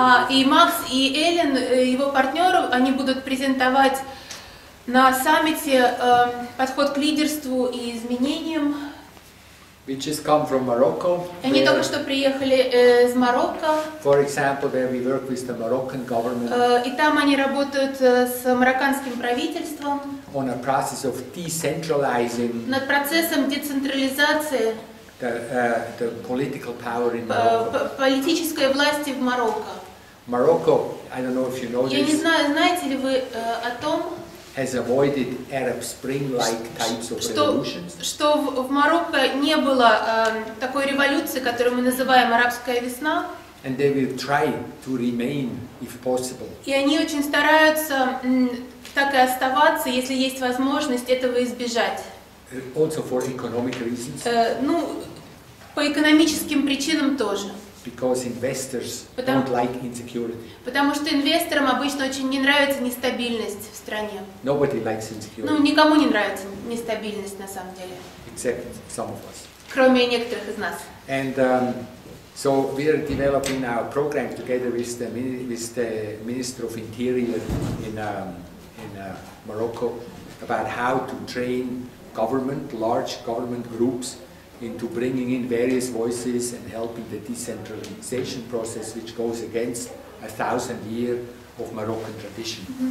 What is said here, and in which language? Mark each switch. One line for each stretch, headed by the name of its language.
Russian: И Макс и Эллен, его партнеры, они будут презентовать на саммите подход к лидерству и изменениям.
English: We just come from Morocco.
Russian: Они только что приехали из Марокко.
English: For example, where we work with the Moroccan government.
Russian: И там они работают с марокканским правительством.
English: On a process of decentralizing.
Russian: Над процессом децентрализации.
English: The political power in Morocco.
Russian: Политической власти в Марокко.
English: Morocco, I don't know if you know this.
Russian: Я не знаю, знаете ли вы о том?
English: Has avoided Arab Spring-like types of revolutions.
Russian: Что в Марокко не было такой революции, которую мы называем арабская весна.
English: And they will try to remain, if possible.
Russian: И они очень стараются так и оставаться, если есть возможность этого избежать.
English: also for economic reasons.
Russian: Ну, по экономическим причинам тоже.
English: Because investors don't like insecurity.
Russian: Потому что инвесторам обычно очень не нравится нестабильность в стране.
English: Nobody likes insecurity.
Russian: Ну, никому не нравится нестабильность на самом деле.
English: Except some of us.
Russian: Кроме некоторых из нас.
English: And so we are developing our program together with the Minister of Interior in Morocco about how to train government, large government groups, into bringing in various voices and helping the decentralization process, which goes against 1,000 years of Moroccan tradition.